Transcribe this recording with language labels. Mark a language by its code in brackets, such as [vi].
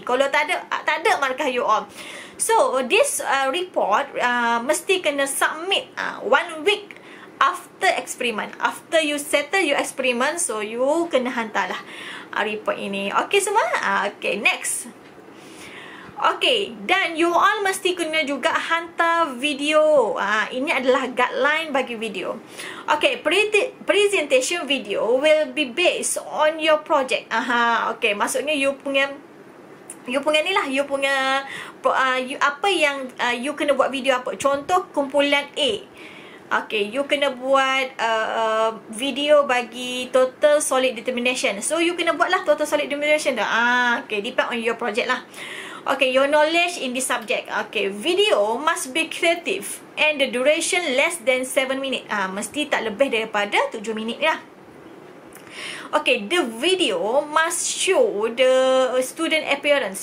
[ms] Kalau tak ada markah [en] you all. So, this report [ms] mesti kena [en] submit 1 week after eksperimen. After you settle your experiment, so you [ms] kena hantarlah [en] report ini. Okay semua? Okay, next. [ms] Okay, dan you all mesti kena juga hantar video. Ini adalah guideline bagi video. [en] Okay, presentation video will be based on your project. [ms] Okay, maksudnya you kena buat video apa. Contoh, kumpulan A. Okay, you kena buat video bagi total solid determination. So, you kena buatlah total solid determination tu. Okay, [en] depend on your project [ms] lah. [en] Okay, your knowledge in this subject. Okay, video must be creative and the duration less than 7 minutes. [ms] Mesti tak lebih daripada 7 minit lah. [en] Okay, the video must show the student appearance.